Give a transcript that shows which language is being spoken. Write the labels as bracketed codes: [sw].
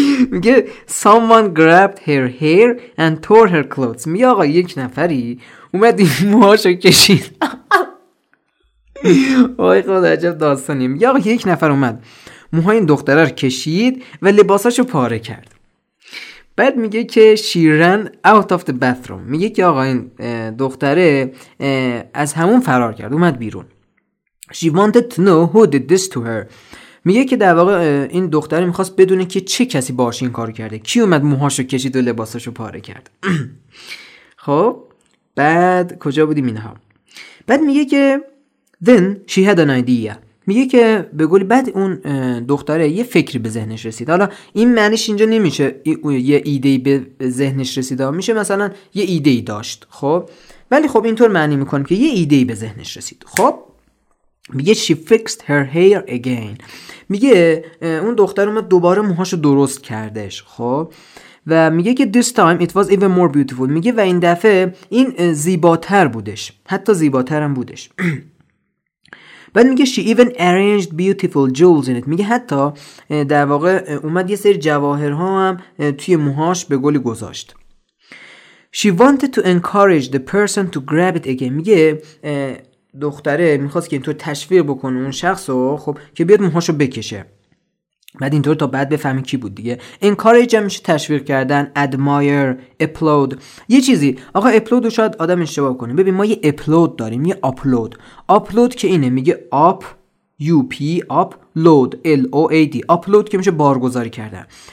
[en] میگه someone grabbed her hair and tore her clothes. [fa] میگه آقا یک نفری اومد این موهاشو کشید. وای خدا عجب داستانی. میگه آقا یک نفر اومد موهای این دختره رو کشید و لباساشو پاره کرد. بعد میگه که [en] she ran out of the bathroom. [fa] میگه که آقا این دختره از همون فرار کرد اومد بیرون. [en] she wanted to know who did this to her. [fa] میگه که در واقع این دختره میخواست بدونه که چه کسی باهاش این کارو کرده. کی اومد موهاشو کشید و لباساشو پاره کرد. خب بعد کجا بودیم اینها. بعد میگه که [en] then she had an idea. [fa] میگه که به گلی بعد اون دختره یه فکری به ذهنش رسید. حالا این معنیش اینجا نمیشه یه ایده به ذهنش رسید. میشه مثلا یه ایده داشت. خب ولی خب اینطور معنی میکنه که یه ایده به ذهنش رسید. خب میگه [en] she fixed her hair again. [fa] میگه اون دختر اومد دوباره موهاشو درست کردش. خب و میگه که [en] this time it was even more beautiful. [fa] میگه و این دفعه این زیباتر بودش. حتی زیباتر هم بودش. بعد میگه [en] she even arranged beautiful jewels in it. [fa] میگه حتی در واقع اومد یه سری جواهرها هم توی موهاش به گلی گذاشت. [en] she wanted to encourage the person to grab it again. [fa] میگه دختره میخواست که اینطور تشویق بکنه اون شخصو خب که بیاد موهاشو بکشه. بعد اینطور تا بعد بفهمی کی بود دیگه. encourage هم میشه تشویق کردن. admire upload یه چیزی. آقا upload رو شاید آدم اشتباه کنه. ببین ما یه upload داریم یه upload. upload که اینه میگه up up up load l o a d upload که میشه بارگذاری کردن.